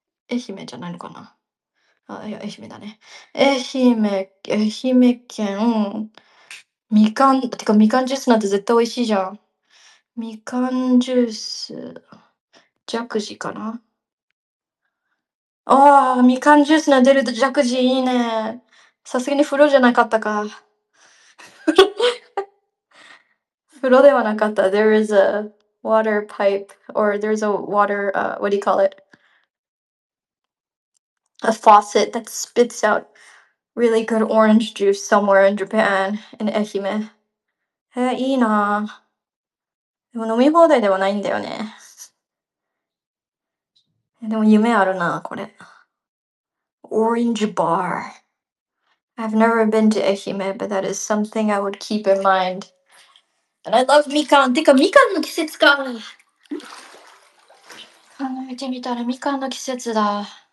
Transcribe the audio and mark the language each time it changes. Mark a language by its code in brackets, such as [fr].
[ja] 愛媛じゃないのかな?あ、いや、愛媛だね。愛媛県、みかん、てかみかんジュースなんて絶対美味しいじゃん。みかんジュース、ジャクジーかな? ああ、みかんジュースの出るとジャクジーいいね。さすがに風呂じゃなかったか。風呂ではなかった。 [en] There is a water pipe, or there's a water, what do you call it? A faucet that spits out really good orange juice somewhere in Japan, in Ehime. [ja] いいな。でも飲み放題ではないんだよね。でも夢あるな、これ。 [en] Orange bar. I've never been to Ehime, but that is something I would keep in mind. And I love [ja] みかん。てか、みかんの季節か。考えてみたら、みかんの季節だ。